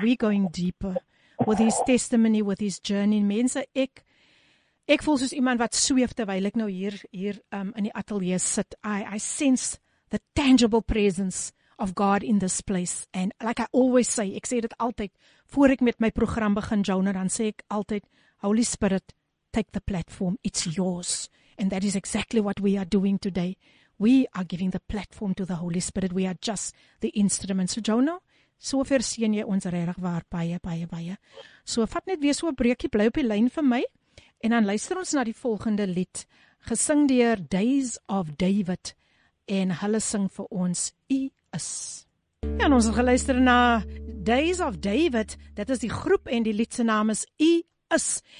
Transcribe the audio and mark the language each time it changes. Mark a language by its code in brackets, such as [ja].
[en] We're going deeper with his testimony, with his journey. [af] Mense, ek voel soos iemand wat sweef terwyl ek nou hier in die ateljee sit. [en] I sense the tangible presence of God in this place. And like I always say, [af] ek sê dit altyd, voor ek met my program begin, Jonah, dan sê ek altyd, [en] Holy Spirit, take the platform, it's yours. And that is exactly what we are doing today. We are giving the platform to the Holy Spirit. We are just the instrument. [af] So Jonah, so ver sien jy ons regtig waar, baie, baie, baie. So vat net weer so 'n breekie, bly op die lyn vir my, en dan luister ons na die volgende lied, gesing deur Days of David, en hulle sing vir ons, U is. Ja, en ons het geluister na Days of David, dat is die groep en die lied se naam is U is.